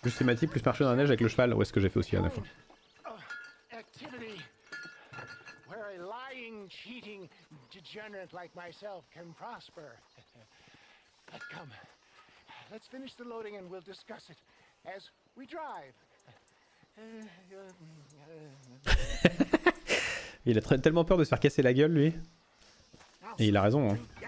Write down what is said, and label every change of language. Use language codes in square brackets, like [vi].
[fr] Plus thématique, plus marcher dans la neige avec le cheval. Où est-ce que j'ai fait aussi à la fois? [en] Activity. Where a lying, cheating, degenerate like myself can prosper. But come, let's finish the loading and we'll discuss it as we drive. [fr] Il a tellement peur de se faire casser la gueule, lui. Et il a raison, hein.